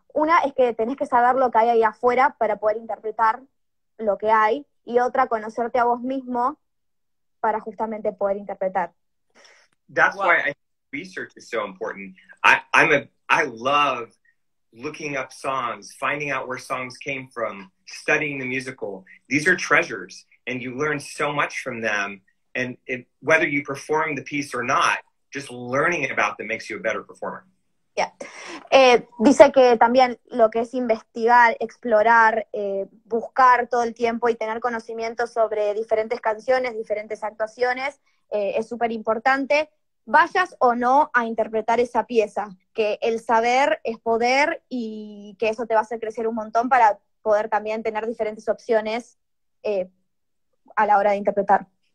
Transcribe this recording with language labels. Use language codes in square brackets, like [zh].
[es] Una es que tenés que saber lo que hay ahí afuera para poder interpretar lo que hay, y otra, conocerte a vos mismo para justamente poder interpretar. [en] That's why I think research is so important. I love looking up songs, finding out where songs came from, studying the musical. These are treasures, and you learn so much from them, and it, whether you perform the piece or not, just learning about them makes you a better performer. Yeah. [es] Dice que también lo que es investigar, explorar, buscar todo el tiempo y tener conocimiento sobre diferentes canciones, diferentes actuaciones, es súper importante. Vayas o no a interpretar esa pieza, que el saber es poder y que eso te va a hacer crecer un montón para poder también tener diferentes opciones a la hora de interpretar.